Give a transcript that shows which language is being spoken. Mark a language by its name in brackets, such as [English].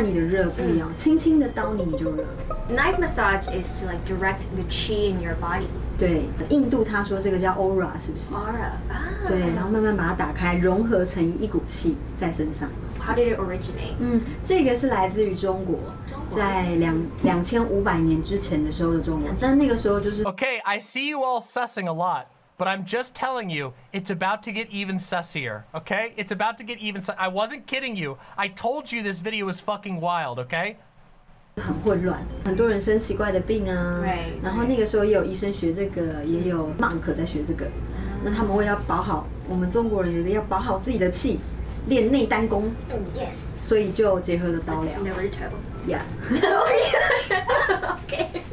[English] Knife massage is to like direct the chi in your body. [Chinese] 对，印度他说这个叫 aura 是不是？ [English] Aura. [Chinese] 对，然后慢慢把它打开，融合成一股气在身上。 [English] How did it originate? [Chinese] 这个是来自于中国。 [English] Okay, I see you all sussing a lot, but I'm just telling you, it's about to get even sussier, okay? It's about to get even sussier. I wasn't kidding you. I told you this video was fucking wild, okay? [Chinese] 很混乱，很多人生奇怪的病啊。 [English] Right. [Chinese] 然后那个时候也有医生学这个，也有 monk 在学这个。那他们为了保好，我们中国人要保好自己的气。练内丹功 [English] Yes [Chinese] 所以就结合了刀疗 Naruto [English] Yeah Okay